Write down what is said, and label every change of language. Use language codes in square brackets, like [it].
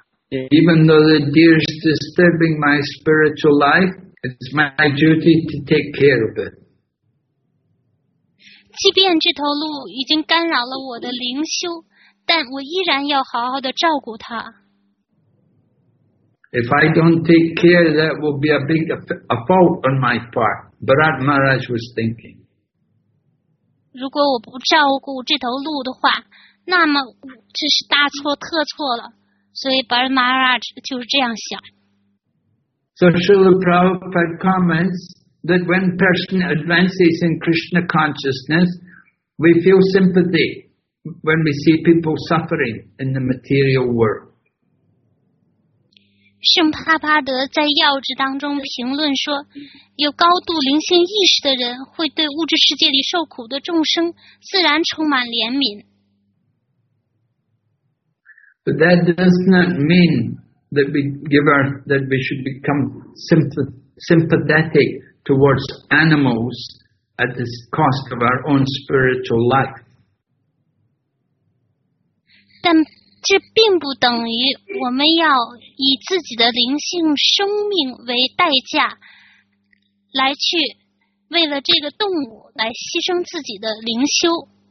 [en] Even though the deer is disturbing my spiritual life, it's my duty to take care of it. [zh] 即便这头鹿已经干扰了我的灵修，但我依然要好好的照顾它。 [en] If I don't take care, that will be a big a fault on my part. Bharat Maharaj was thinking. [zh] 如果我不照顾这头鹿的话，那么这是大错特错了。所以 Bharat Maharaj 就是这样想。 [en] So Srila Prabhupada comments that when person advances in Krishna consciousness, we feel sympathy when we see people suffering in the material world. [zh] 圣帕帕德在要旨当中评论说，有高度灵性意识的人会对物质世界里受苦的众生自然充满怜悯。 [en] But that does not mean that we should become sympathetic towards animals at the cost of our own spiritual life. [zh] 但这并不等于我们要以自己的灵性生命为代价，来去为了这个动物来牺牲自己的灵修。